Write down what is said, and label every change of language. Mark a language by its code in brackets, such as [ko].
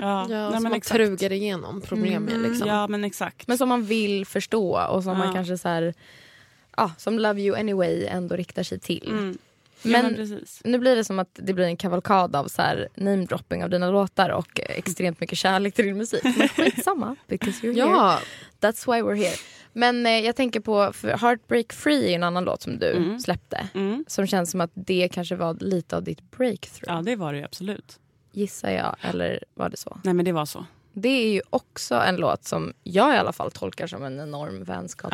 [sv] Ja, som man trugar igenom problem med liksom. Ja, men exakt. Men som man vill förstå och som man kanske så här, ja, som Love You Anyway ändå riktar sig till. Men nu blir det som att det blir en kavalkad av så här name dropping av dina låtar och extremt mycket kärlek till din musik. Men skitsamma, [en] because you're here. That's why we're here. [sv] Men jag tänker på Heartbreak Free, en annan låt som du släppte. Mm. Som känns som att det kanske var lite av ditt breakthrough. Ja, det var det ju absolut. Gissar jag, eller var det så? Nej, men det var så. Det är ju också en låt som jag i alla fall tolkar som en enorm vänskaps.